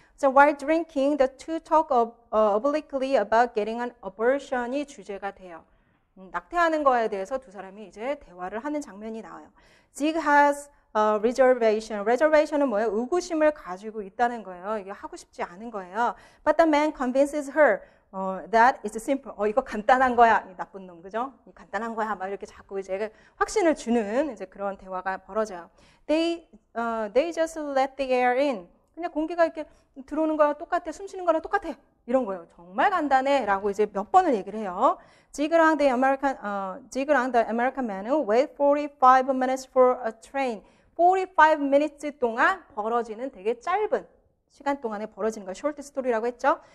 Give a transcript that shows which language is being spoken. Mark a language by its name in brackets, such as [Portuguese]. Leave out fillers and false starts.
[English] So while drinking, the two talk obliquely about getting an abortion이 [Korean] 주제가 돼요. 낙태하는 거에 대해서 두 사람이 이제 대화를 하는 장면이 나와요. [English] Zig has a reservation. [Korean] Reservation은 뭐예요? 의구심을 가지고 있다는 거예요. 이게 하고 싶지 않은 거예요. [English] But the man convinces her. That is simple. [Korean] 이거 간단한 거야. 이 나쁜 놈, 그죠? 이 간단한 거야. 막 이렇게 자꾸 이제 확신을 주는 이제 그런 대화가 벌어져요. [English] They just let the air in. [Korean] 그냥 공기가 이렇게 들어오는 거랑 똑같아. 숨 쉬는 거랑 똑같아. 이런 거예요. 정말 간단해. 라고 이제 몇 번을 얘기를 해요. [English] Zig랑 the American man who wait 45 minutes for a train. [Korean] 45 minutes 동안 벌어지는 되게 짧은 시간 동안에 벌어지는 거 숏트 스토리라고 했죠.